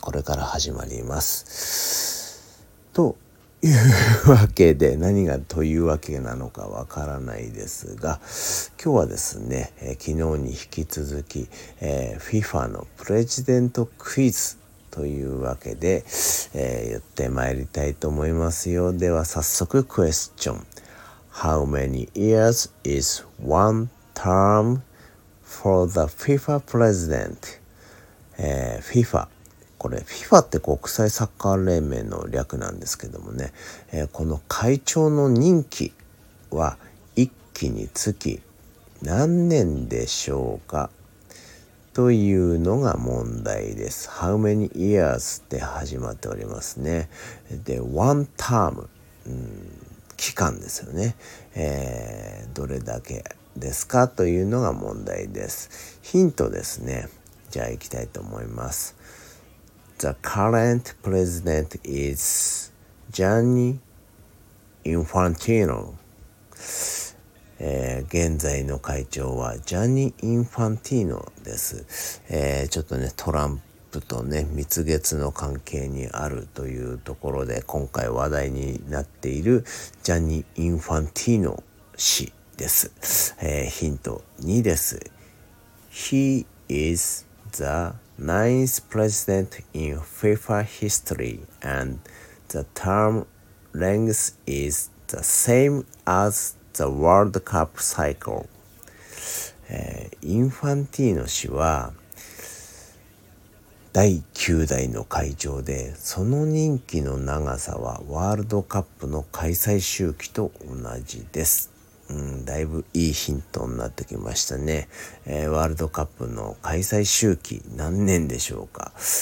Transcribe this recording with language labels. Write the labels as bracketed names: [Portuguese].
[Japanese] これから始まります。というわけで、何がというわけなのかわからないですが、今日はですね、昨日に引き続き、FIFA のプレジデントクイズというわけで、やってまいりたいと思いますよ。では早速クエスチョン。 [English] How many years is one term for the FIFA president? [Japanese] FIFA、これ FIFA って国際サッカー連盟の略なんですけどもね、この会長の任期は一期につき何年でしょうかというのが問題です。 [English] How many years [Japanese] って始まっておりますね。で、 [English] One term、 [Japanese] 期間ですよね、どれだけですかというのが問題です。ヒントですね。じゃあ行きたいと思います。 [English] The current president is Gianni Infantino. [Japanese] 現在の会長はジャニー・インファンティーノです。ちょっとね、トランプとね、蜜月の関係にあるというところで、今回話題になっているジャニー・インファンティーノ氏です。ヒント2です。 [English] He is the ninth president in FIFA history and the term length is the same as the World Cup cycle. [Japanese] インファンティーノ氏は第9代の会長で、その任期の長さはワールドカップの開催周期と同じです。だいぶいいヒントになってきましたね。ワールドカップの開催周期何年でしょうか。